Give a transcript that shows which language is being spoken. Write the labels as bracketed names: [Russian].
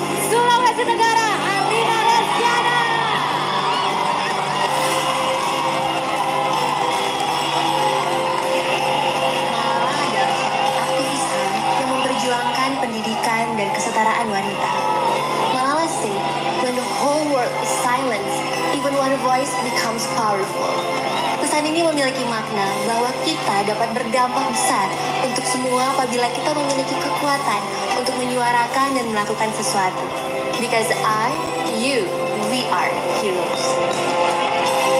[Indonesian] Sulawesi Tenggara, Alina Lesiana. Malah adalah aktivis yang memperjuangkan pendidikan dan kesetaraan wanita. [English] Malah sih, when the whole world is silent, even one voice becomes powerful. [Indonesian] Pesan ini memiliki makna bahwa kita dapat berdampak besar untuk semua apabila kita memiliki kekuatan untuk menyuarakan dan melakukan sesuatu. [English] Because I, you, we are heroes.